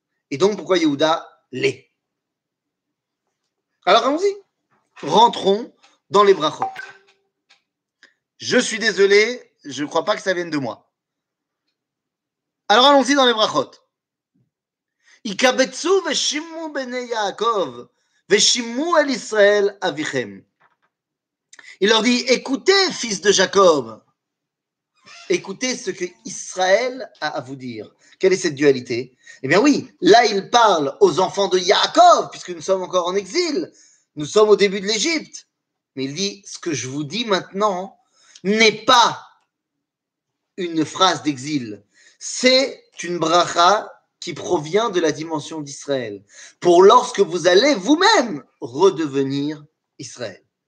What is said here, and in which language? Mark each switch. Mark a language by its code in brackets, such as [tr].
[fr] Et donc, pourquoi Yehuda l'est. Alors, allons-y. Rentrons dans les brachot. Je suis désolé, je ne crois pas que ça vienne de moi. Alors allons-y dans les brachot. [he] יקבצו ושימו בני יעקב, ושימו אל ישראל אביכם. [fr] Il leur dit, écoutez, fils de Jacob, écoutez ce que Israël a à vous dire. Quelle est cette dualité? Eh bien oui, là il parle aux enfants de Jacob, puisque nous sommes encore en exil, nous sommes au début de l'Égypte. Mais il dit, ce que je vous dis maintenant n'est pas une phrase d'exil, c'est une bracha qui provient de la dimension d'Israël, pour lorsque vous allez vous-même redevenir Israël.